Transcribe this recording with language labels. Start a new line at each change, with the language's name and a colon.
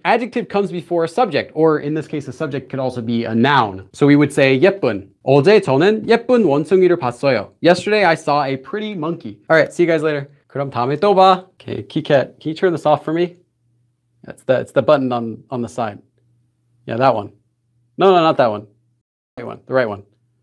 English: Adjective comes before a subject, or in this case, a subject could also be a noun. So we would say 예쁜.
Korean: 어제 저는 예쁜 원숭이를 봤어요.
English: Yesterday, I saw a pretty monkey. All right, see you guys later.
Korean: 그럼 다음에 또 봐.
English: Okay, KiCat, can you turn this off for me? It's the button on the side. Yeah, that one. No, not that one. The right one.